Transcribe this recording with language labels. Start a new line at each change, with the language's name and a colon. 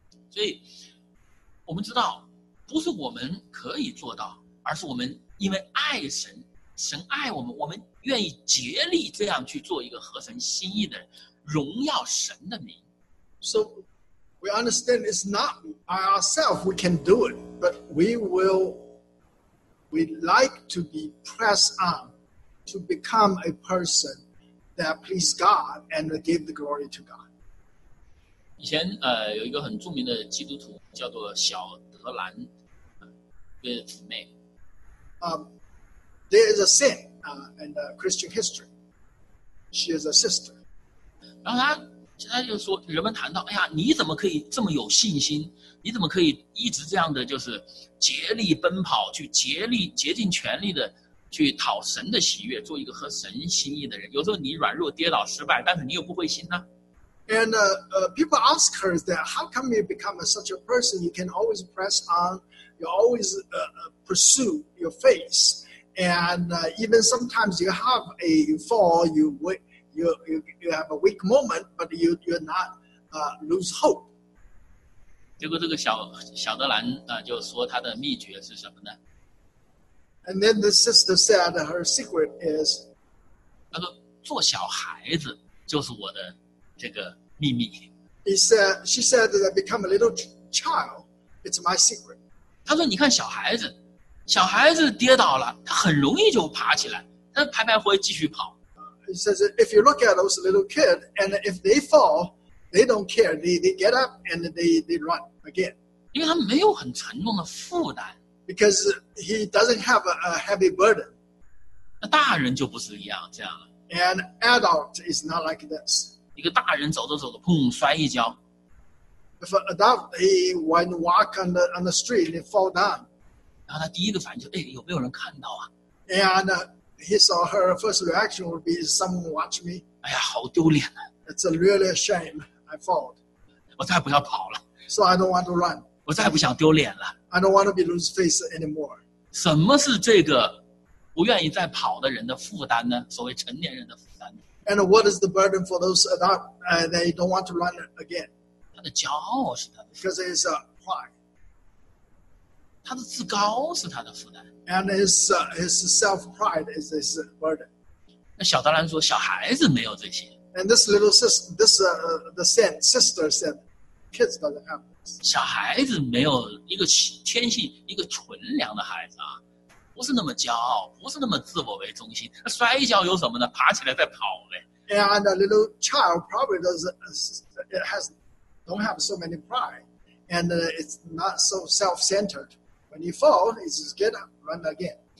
Chinese: 所以我们知道不是我们可以做到，而是我们因为爱神，神爱我们，我们愿意竭力这样去做一个合神心意的人，荣耀神的名。
English: So we understand it's not by ourselves we can do it, but we like to be pressed on to become a person that please God and give the glory to God.
Chinese: 以前有一个很著名的基督徒叫做小德兰，一个姊妹。
English: There is a saint in the Christian history. She is a sister.
Chinese: 然后他就说，人们谈到，哎呀，你怎么可以这么有信心？你怎么可以一直这样的就是竭力奔跑，去竭力竭尽全力的去讨神的喜悦，做一个合神心意的人？有时候你软弱跌倒失败，但是你又不灰心呢。
English: And people ask her that how come you become such a person? You can always press on, you always pursue your faith, and even sometimes you have a fall, you have a weak moment, but you're not lose hope.
Chinese: 结果这个小德兰就说他的秘诀是什么呢？
English: And then the sister said her secret is,
Chinese: 他说做小孩子就是我的这个秘密。
English: She said that become a little child, it's my secret.
Chinese: 他说你看小孩子跌倒了，他很容易就爬起来，他徘徘徊继续跑。
English: He says if you look at those little kids, and if they fall,They don't care. They get up and they run again.
Chinese: 因为他没有很沉重的负担。
English: Because he doesn't have a heavy burden.
Chinese: 那大人就不是一样这样了。
English: And adult is not like this.
Chinese: 一个大人走着走着，砰，摔一跤。
English: If an adult he when walk on the street they fall down.
Chinese: 然后他第一个反应就，哎，有没有人看到啊
English: ？And his or her first reaction would be someone watch me.
Chinese: 哎呀，好丢脸啊。
English: It's a really a shame. I fall.
Chinese: 我再不要跑了。
English: So I don't want to run.
Chinese: 我再不想丢脸了。
English: I don't want to be lose face anymore.
Chinese: 什么是这个不愿意再跑的人的负担呢？所谓成年人的负担。
English: And what is the burden for those adult? They don't want to run again.
Chinese: 他的骄傲是他的负担。
English: Because it's a pride.
Chinese: 他的自高是他的负担。
English: And his self pride is his burden.
Chinese: 那小德兰说，小孩子没有这些。
English: And this little sister, the same sister said, kids doesn't have this.
Chinese: 小孩子没有一个天性，一个纯良的孩子啊，不是那么骄傲，不是那么自我为中心。那摔一跤有什么呢？爬起来再跑呗。
English: And a little child probably don't have so many pride, and it's not so self-centered. When you fall, you just get up, run again.